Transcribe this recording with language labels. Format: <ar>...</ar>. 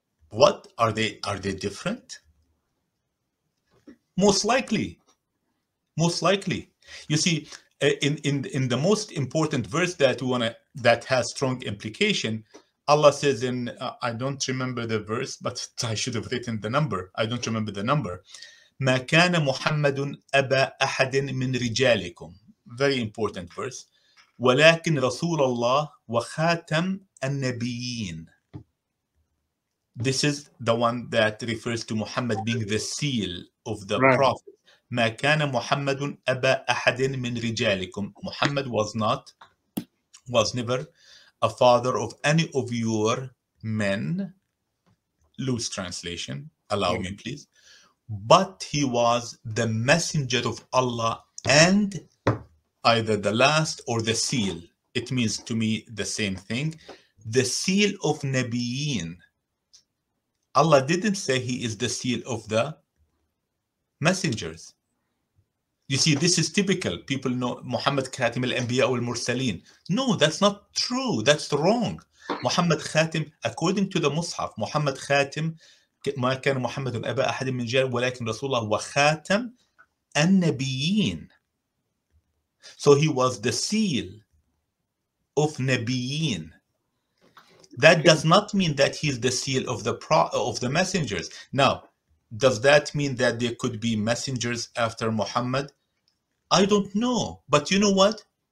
<en>What are they? Are they different? Most likely. Most likely. You see, in the most important verse that we wanna, that has strong implication, Allah says in, I don't remember the verse, but I should have written the number. I don't remember the number.</en> <ar>مَا كَانَ مُحَمَّدٌ أَبَى أَحَدٍ مِنْ رِجَالِكُمْ.</ar> <en>Very important verse.</en> <ar>وَلَكِنْ رَسُولَ اللَّهِ وَخَاتَمَ النَّبِيِّينَ.</ar> <en>This is the one that refers to Muhammad being the seal of the right. Prophet.</en> <ar>مَا كَانَ مُحَمَّدٌ أَبَى أَحَدٍ مِنْ رِجَالِكُمْ.</ar> <en>Muhammad was never a father of any of your men. Loose translation, allow me please. But he was the messenger of Allah and either the last or the seal. It means to me the same thing. The seal of Nabiyin. Allah didn't say he is the seal of the messengers. You see, this is typical. People know Muhammad Khatim al-Anbiya wal-Mursaleen. No, that's not true. That's wrong. Muhammad Khatim, according to the Mus'haf, Muhammad Khatim,</en> <ar>مَا كَانَ مُحَمَّدٌ أَبَى أَحَدٍ مِنْ جَالِكُمْ وَلَكِنْ رَسُولَ اللَّهُ وَخَاتَمَ النَّبِيِّينَ.</ar> <en>So he was the seal of Nabiyin. That does not mean that he's the seal of the messengers. Now, does that mean that there could be messengers after Muhammad? I don't know. But you know what?</en>